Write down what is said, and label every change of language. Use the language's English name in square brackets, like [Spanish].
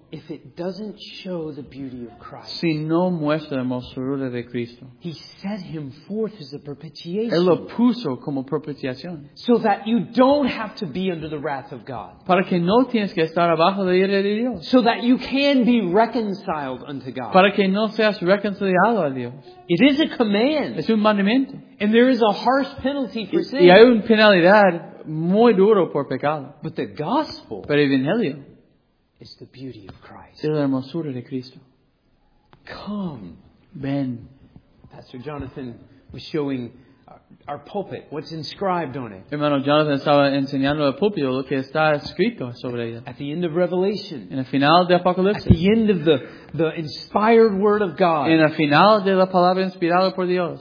[English] If it doesn't show the beauty of Christ. [Spanish] Si no muestra la hermosura de Cristo. [English] He set him forth as a propitiation. [Spanish] Él lo puso como propiciación. [English] So that you don't have to be under the wrath of God. [Spanish] Para que no tienes que estar abajo de la ira de Dios. [English] So that you can be reconciled unto God. [Spanish] Para que no seas reconciliado a Dios. [English] It is a command. [Spanish] Es un mandamiento. [English] And there is a harsh penalty for sin. [Spanish] Y hay una penalidad. Muy duro por pecado. [English] But the gospel, [Spanish] pero el evangelio, [English] is the beauty of Christ. [Spanish] Es la hermosura de Cristo. [English] Come, [Spanish] Ben. [English] Pastor Jonathan was showing our pulpit. What's inscribed on it? [Spanish] Hermano Jonathan estaba enseñando el púlpito lo que está escrito sobre ella. [English] At the end of Revelation. [Spanish] En el final de Apocalipsis. [English] At the end of the inspired word of God. [Spanish] En el final de la palabra inspirada por Dios.